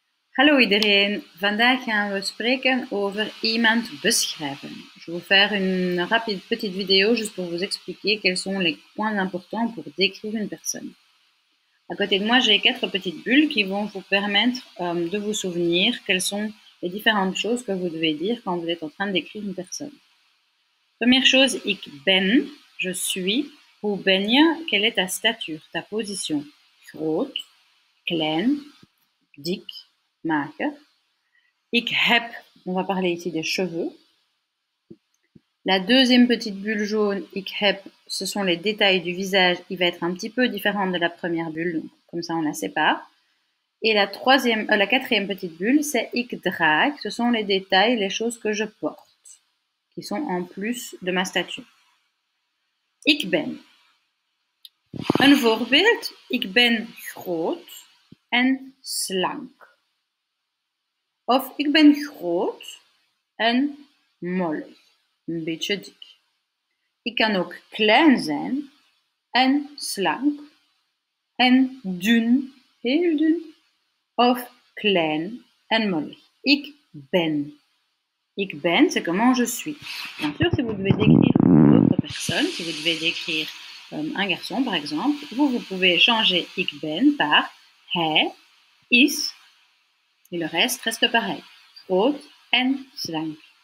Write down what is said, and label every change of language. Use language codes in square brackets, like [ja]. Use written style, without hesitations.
[nl] Hallo iedereen, vandaag gaan we spreken over iemand beschrijven. [fr] Je vais faire une rapide petite vidéo juste pour vous expliquer quels sont les points importants pour décrire une personne. À côté de moi, j'ai quatre petites bulles qui vont vous permettre de vous souvenir quelles sont les différentes choses que vous devez dire quand vous êtes en train de décrire une personne. Première chose, [nl] ik ben, [fr] je suis, ou [nl] ben je, [fr] quelle est ta stature, ta position? [nl] Groot, klein, dik. Make. Ik heb, [fr] on va parler ici des cheveux. La deuxième petite bulle jaune, [nl] ik heb, [fr] ce sont les détails du visage. Il va être un petit peu différent de la première bulle, donc comme ça on la sépare. Et la quatrième petite bulle, c'est [nl] ik draag, [fr] ce sont les détails, les choses que je porte, qui sont en plus de ma stature. [nl] Ik ben. [fr] Un [nl] voorbeeld, ik ben groot en slank. Of ik ben groot en mollig, een beetje dik. Ik kan ook klein zijn en slank en dun, heel dun. Of klein en mollig. Ik ben. Ik ben, [fr] c'est comment je suis. Bien sûr, si vous devez décrire une autre personne, si vous devez décrire un garçon par exemple, vous pouvez changer [nl] ik ben [fr] par [nl] hij, is. [fr] Et le reste reste pareil. [nl] Groot en slank.